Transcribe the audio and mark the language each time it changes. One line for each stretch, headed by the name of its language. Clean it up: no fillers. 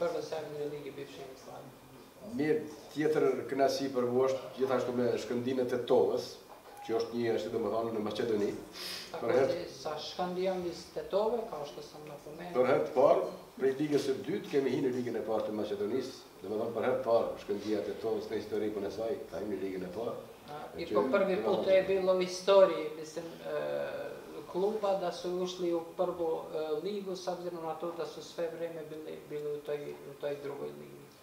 Serbian: Saveznoj Ligi, bivši Jugoslavije.
Albanian: Mirë, tjetër kënaqësi për mua është gjithashtu me shkëndimet e Tetovës, që është një ashtu domethënë në Maqedoni.
Serbian: Tako që sa shkëndijam iz Tetove, kao što sam napomenuo.
Albanian: Për herë të parë, prej Ligës së dytë, kemi hi në Ligën e Parë të Maqedonisë. Domethënë për herë të parë, shkëndija e Tetovës në historikun e saj, ka hi në Ligën e Parë.
Serbian: I po prvi put je bilo u istoriji, mislim, kluba da su ušli u prvu ligu, s obzirom na to da su sve vreme bili u toj drugoj ligi.